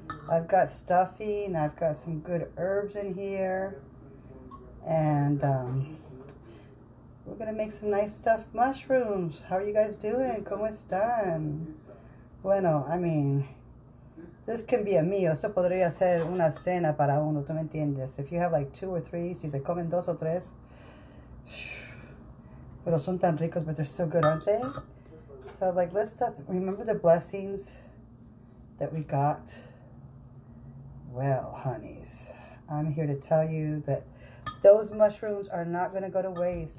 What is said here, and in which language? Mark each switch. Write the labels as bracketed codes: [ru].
[en] I've got stuffing, I've got some good herbs in here, and we're going to make some nice stuffed mushrooms. How are you guys doing? [es] ¿Cómo están? Bueno, [en] I mean, this can be a meal. [es] Esto podría ser una cena para uno, ¿tú me entiendes? [en] If you have like two or three, [es] si se comen dos o tres, pero son tan ricos, [en] but they're so good, aren't they? So I was like, let's stuff. Remember the blessings that we got? Well, honeys, I'm here to tell you that those mushrooms are not going to go to waste.